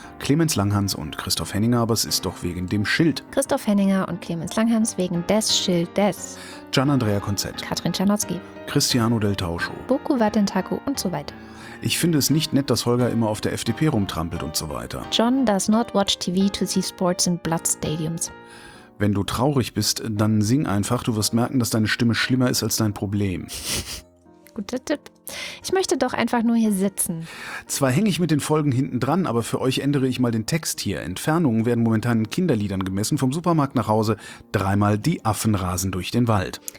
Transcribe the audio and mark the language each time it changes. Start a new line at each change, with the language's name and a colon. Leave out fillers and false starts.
German: Clemens Langhans und Christoph Henninger, aber es ist doch wegen dem Schild. Christoph Henninger und Clemens Langhans wegen des Schildes. Gian-Andrea Konzett. Katrin Czernowski. Cristiano Del Tauscho. Boku Vatentaku und so weiter. Ich finde es nicht nett, dass Holger immer auf der FDP rumtrampelt und so weiter.
English: John does not watch TV to see sports in blood stadiums.
German: Wenn du traurig bist, dann sing einfach. Du wirst merken, dass deine Stimme schlimmer ist als dein Problem. Guter Tipp. Ich möchte doch einfach nur hier sitzen. Zwar hänge ich mit den Folgen hinten dran, aber für euch ändere ich mal den Text hier. Entfernungen werden momentan in Kinderliedern gemessen. Vom Supermarkt nach Hause dreimal die Affen rasen durch den Wald.